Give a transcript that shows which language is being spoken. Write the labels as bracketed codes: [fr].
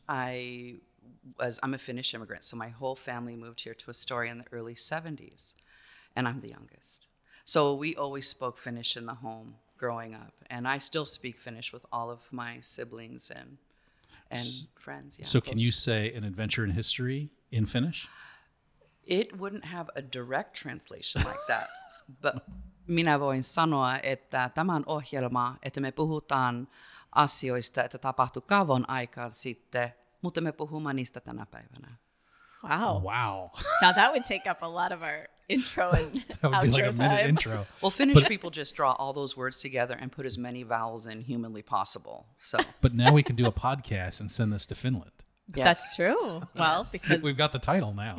[en] I'm a Finnish immigrant, so my whole family moved here to Astoria in the early 70s, and I'm the youngest. So we always spoke Finnish in the home growing up, and I still speak Finnish with all of my siblings and friends. Yeah, so can you say An Adventure in History in Finnish? [fi] It wouldn't have a direct translation like that, but minä voin sanoa, että tämä on ohjelma, että me puhutaan asioista, että tapahtui kauan aikaan sitten, mutta me puhumme niistä tänä päivänä. [en] Wow. Wow. Now that would take up a lot of our intro and that would outro be like a minute time. Intro. Well, Finnish people just draw all those words together and put as many vowels in humanly possible. So. But now we can do a podcast and send this to Finland. Yes. That's true. Well, yes. Because we've got the title now.